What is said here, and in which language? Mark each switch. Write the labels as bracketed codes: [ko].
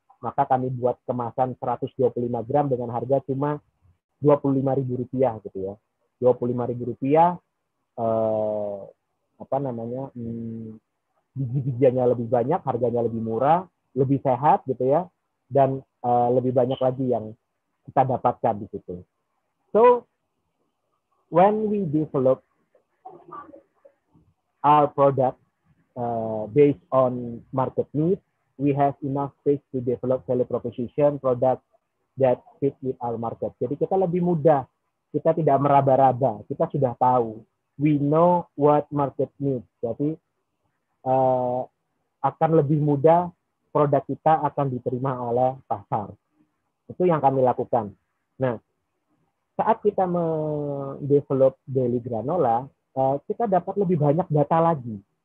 [id] Maka kami buat kemasan 125 gram dengan harga cuma Rp25.000 gitu ya. Rp25.000 biji-bijinya lebih banyak, harganya lebih murah, lebih sehat gitu ya, dan lebih banyak lagi yang kita dapatkan di situ. [en] So when we develop our product based on market need, we have enough space to develop value proposition product that fit with our market. [id] Jadi kita lebih mudah, kita tidak meraba-raba, kita sudah tahu. [en] We know what market needs. [id] Jadi akan lebih mudah produk kita akan diterima oleh pasar. Itu yang kami lakukan. Nah, saat kita mendevelop daily granola, kita dapat lebih banyak data lagi.